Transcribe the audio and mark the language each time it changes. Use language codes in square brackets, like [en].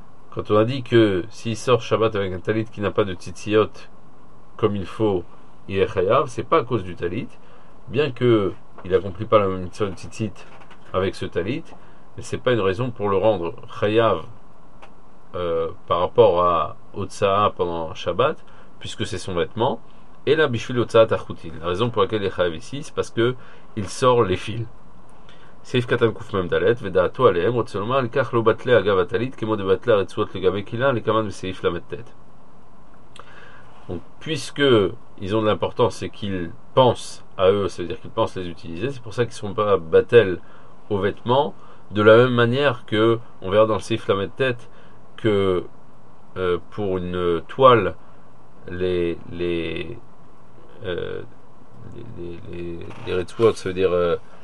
[fr] Quand on a dit que s'il sort Shabbat avec un talit qui n'a pas de tzitziot comme il faut, il est chayav, c'est pas à cause du talit, bien qu'il n'accomplit pas la même mitzvah de tzitzit avec ce talit, mais c'est pas une raison pour le rendre chayav par rapport à Otsaha pendant Shabbat, puisque c'est son vêtement. Et là, [he] Bishvil Otsaha Tachoutil, [fr] la raison pour laquelle il est chayav ici, c'est parce qu'il sort les fils. [he] סעיף קטן קוף מהם דלת, ודעתו עליהם, רוצה לומר, לקח לו בטלה אגב הטלית, כמו דבטלה רצועות לגבי קילה, לכמן בסעיף למתת. [fr] Donc, puisque ils ont de l'importance et qu'ils pensent à eux, ça veut dire qu'ils pensent les utiliser, c'est pour ça qu'ils ne sont pas battels aux vêtements, de la même manière que, on verra dans le Seif Lamettet, que pour une toile, les ça veut dire...